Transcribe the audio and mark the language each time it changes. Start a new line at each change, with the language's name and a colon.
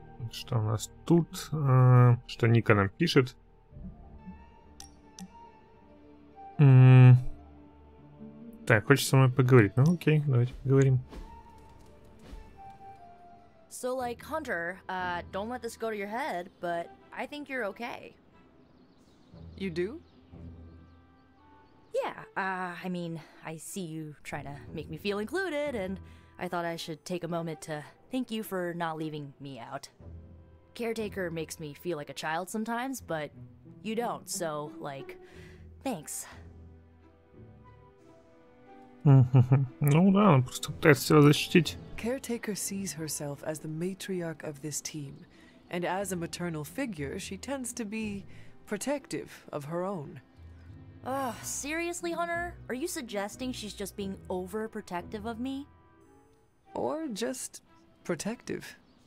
Russian: Что у нас тут? Что Ника нам пишет? Так, хочешь со мной поговорить? Ну, окей, давайте поговорим.
English: So like Hunter, don't let this go to your head, but I think you're okay. You do? Yeah, I mean, I see you trying to make me feel included, and I thought I should take a moment to thank you for not leaving me out. Caretaker makes me feel like a child sometimes, but you don't. So like, thanks.
Russian: Ну да, он просто пытается себя защитить.
English: Caretaker sees herself as the matriarch of this team, and as a maternal figure, she tends to be protective of her own. Ugh, seriously, Hunter? Are you suggesting she's just being overprotective of me? Or just protective?